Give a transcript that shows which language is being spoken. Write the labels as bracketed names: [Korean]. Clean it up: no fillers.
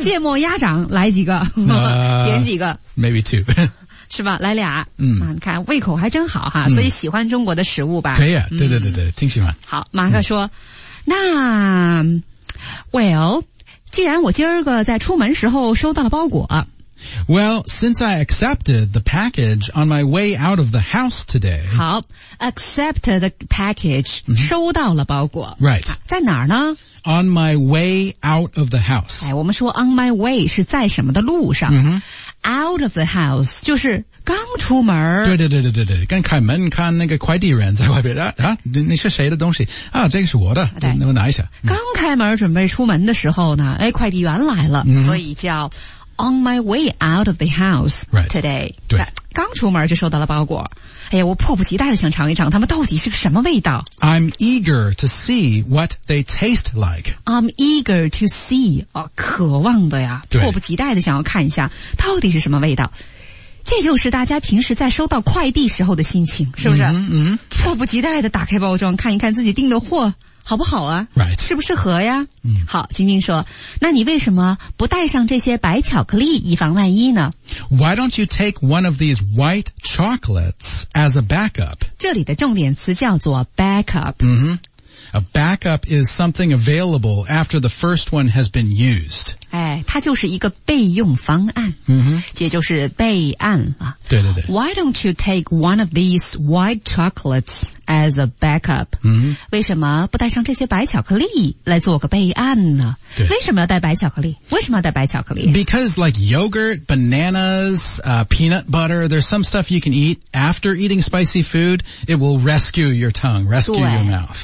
[Chinese] 芥末鸭掌来几个。点几个。 [English] Maybe two. [Chinese] 是吧？来俩，嗯，啊，你看胃口还真好哈，嗯，所以喜欢中国的食物吧？可以啊，对对对对，挺喜欢。好，马克说，嗯，那 ，Well， 既然我今儿个在出门时候收到了包裹 [English] ，Well， since I accepted the package on my way out of the house today， [Chinese] 好 ， [English] accept the package， [Chinese] 嗯，收到了包裹 [English] ，Right， [Chinese] 在哪儿呢？ [English] On my way out of the house。 [Chinese] 哎，我们说 [English] on my way [Chinese] 是在什么的路上， mm-hmm. [English] ？Out of the house [Chinese] 就是刚出门。对对对对对对，刚开门看那个快递人在外边啊，你是谁的东西啊？这个是我的，对，那我拿一下。刚开门准备出门的时候呢，哎，快递员来了， mm-hmm. 所以叫 [English] on my way out of the house today。 Right. 对。 [Chinese] 刚出门就收到了包裹，哎呀，我迫不及待的想尝一尝它们到底是个什么味道。 [English] I'm eager to see what they taste like. I'm eager to see. [Chinese] 哦，渴望的呀，迫不及待的想要看一下到底是什么味道。这就是大家平时在收到快递时候的心情，是不是？嗯，mm-hmm. 迫不及待的打开包装，看一看自己订的货好不好啊？ [English] Right. [Chinese] 适不适合呀？嗯，好，晶晶说，那你为什么不带上这些白巧克力以防万一呢？ [English] Why don't you take one of these white chocolates as a backup? [Chinese] 这里的重点词叫做 backup。 Mm-hmm. [English] A backup is something available after the first one has been used. [Chinese] 哎，它就是一个备用方案。 Mm-hmm. 也就是备案啊。对对对。 [English] Why don't you take one of these white chocolates as a backup? Mm-hmm. [Chinese] 为什么不带上这些白巧克力来做个备案呢？对。为什么要带白巧克力？为什么要带白巧克力？ [English] Because like yogurt, bananas, peanut butter, there's some stuff you can eat after eating spicy food. It will rescue your tongue, rescue your mouth.